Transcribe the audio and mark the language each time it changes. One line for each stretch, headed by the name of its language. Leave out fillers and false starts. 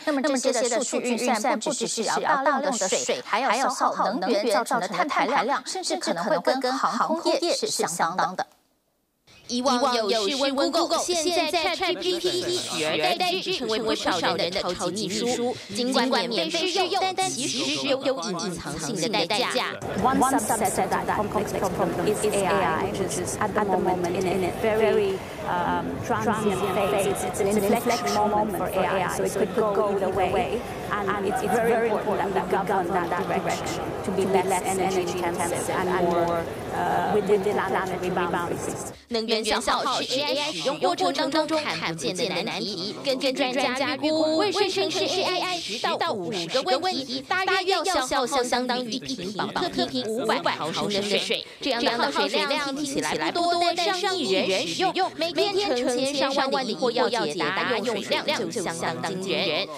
Chinese: 那么这些的数据运算不只是要大量的水，还要消耗能源，造成的碳排量甚至可能会跟航空业是相当的。以往有事问 Google， 现在 ChatGPT 取而代之，成为不少人的超级秘书。尽管免费试用，但其实有隐藏性的代价。
English: One subset of that complex problem is AI, which is at the moment in a very transient phase. It's an inflection moment for AI, so it could go either way. And it's very important that we govern that direction to be less energy intensive and more within the planetary boundaries.
Chinese: 能源消耗是 AI 使用过程当中看不见的难题。根据专家预估，为生成式 AI 10到50个问题，大约要消耗相当于一瓶宝特瓶500毫升的水。这样的耗水量听起来不多，但上亿人使用，每天成千上万的疑惑要解答，用水量就相当惊人。